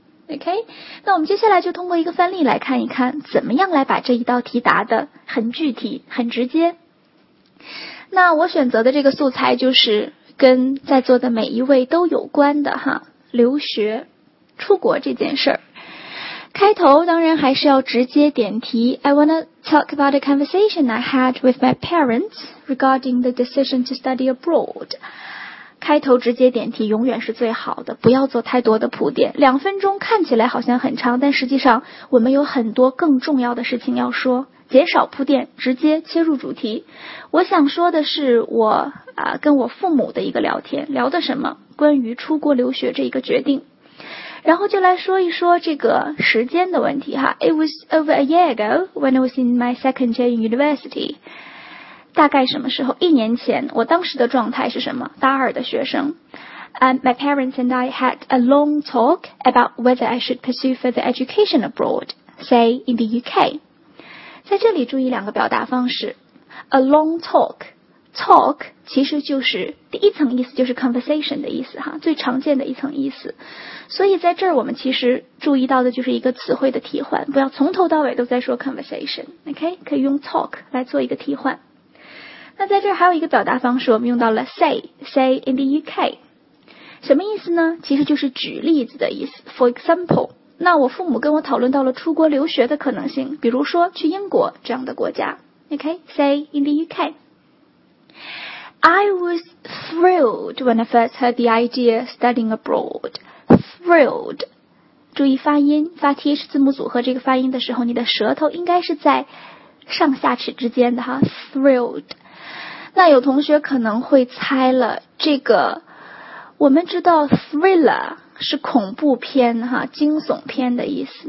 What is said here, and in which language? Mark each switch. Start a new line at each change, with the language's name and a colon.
Chinese: OK， 那我们接下来就通过一个范例来看一看怎么样来把这一道题答得很具体很直接。那我选择的这个素材就是跟在座的每一位都有关的哈，留学出国这件事儿。开头当然还是要直接点题，
English: I wanna talk about a conversation I had with my parents regarding the decision to study abroad。
Chinese: 开头直接点题永远是最好的，不要做太多的铺垫。两分钟看起来好像很长，但实际上我们有很多更重要的事情要说，减少铺垫，直接切入主题。我想说的是我跟我父母的一个聊天，聊的什么，关于出国留学这一个决定。然后就来说一说这个时间的问题哈。
English: It was over a year ago when I was in my second year in university。
Chinese: 大概什么时候，一年前我当时的状态是什么，大二的学生。
English: My parents and I had a long talk about whether I should pursue further education abroad, say in the UK。
Chinese: 在这里注意两个表达方式，
English: A long talk。
Chinese: Talk 其实就是第一层意思，就是 conversation 的意思哈，最常见的一层意思。所以在这儿我们其实注意到的就是一个词汇的替换，不要从头到尾都在说 conversation。 OK， 可以用 talk 来做一个替换。那在这儿还有一个表达方式，我们用到了
English: say in the UK，
Chinese: 什么意思呢？其实就是举例子的意思。
English: For example，
Chinese: 那我父母跟我讨论到了出国留学的可能性，比如说去英国这样的国家。
English: OK， say in the UK。 I was thrilled when I first heard the idea of studying abroad. Thrilled.
Chinese: 注意发音，发 TH 字母组合这个发音的时候，你的舌头应该是在上下齿之间的哈。 Thrilled. 那有同学可能会猜了，这个我们知道 thriller 是恐怖片哈，惊悚片的意思。